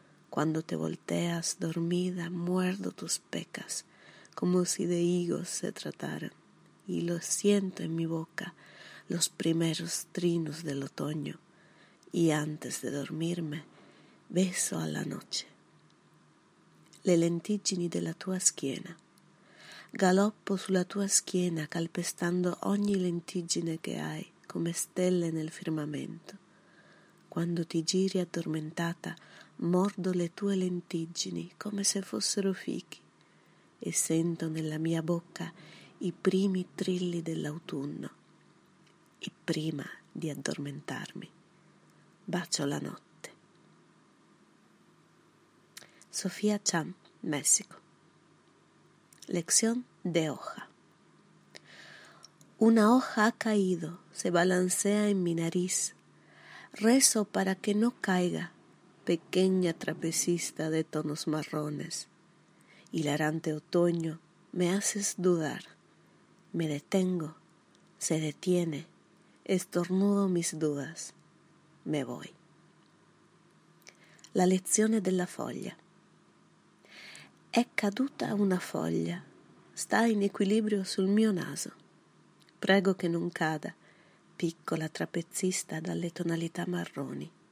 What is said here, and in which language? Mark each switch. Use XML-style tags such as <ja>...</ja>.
<es>Cuando te volteas dormida, muerdo tus pecas como si de higos se trataran y lo siento en mi boca los primeros trinos del otoño y antes de dormirme beso a la noche.</es> <it>Le lentiggini della tua schiena. Galoppo sulla tua schiena calpestando ogni lentiggine che hai come stelle nel firmamento. Quando ti giri addormentata, mordo le tue lentiggini come se fossero fichi e sento nella mia bocca i primi trilli dell'autunno e prima di addormentarmi bacio la notte.</it> <es>Sofía Cham, Messico. Lección de hoja. Una hoja ha caído, se balancea en mi nariz. Rezo para que no caiga. Pequeña trapecista de tonos marrones. Hilarante otoño, me haces dudar. Me detengo, se detiene, estornudo mis dudas. Me voy.</es> <it>La lezione della foglia. È caduta una foglia, sta in equilibrio sul mio naso. Prego che non cada, piccola trapezista dalle tonalità marroni.</it>